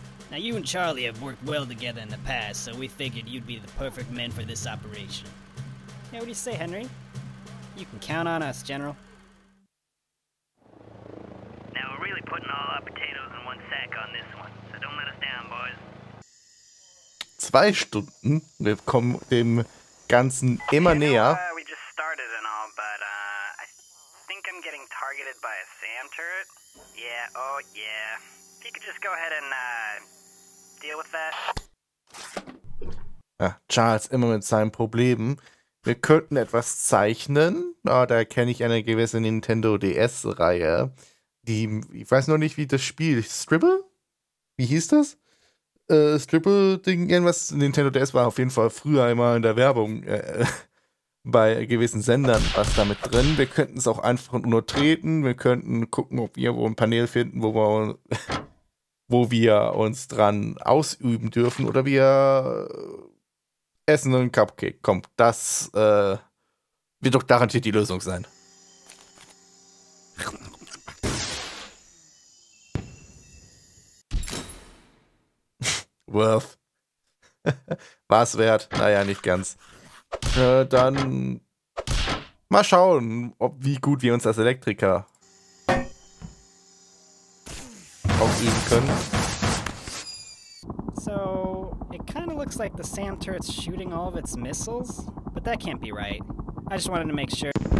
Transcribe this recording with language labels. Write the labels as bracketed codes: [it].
[en] Now, you and Charlie have worked well together in the past, so we figured you'd be the perfect men for this operation. Yeah, what do you say, Henry? You can count on us, General. Now, we're really putting all our potatoes in one sack on this one, so don't let us down, boys. [de] 2 Stunden? Wir kommen dem Ganzen immer näher. [en] We just started and all, but I think I'm getting targeted by a SAM turret. Yeah, oh yeah. If you could just go ahead and deal with that. [de] Ja, Charles immer mit seinen Problemen. Wir könnten etwas zeichnen. Oh, da kenne ich eine gewisse Nintendo DS-Reihe. Die, ich weiß noch nicht, wie das Spiel. Stribble? Wie hieß das? Stribble-Ding, irgendwas. Nintendo DS war auf jeden Fall früher einmal in der Werbung bei gewissen Sendern was damit drin. Wir könnten es auch einfach nur treten. Wir könnten gucken, ob wir wo ein Panel finden, wo wir uns dran ausüben dürfen. Oder wir essen einen Cupcake. Komm, das wird doch garantiert die Lösung sein. Worth. War's wert? Naja, nicht ganz. Dann mal schauen, wie gut wir uns als Elektriker ausüben können. [en] So, it kind of looks like the SAM turret's shooting all of its missiles, but that can't be right. I just wanted to make sure.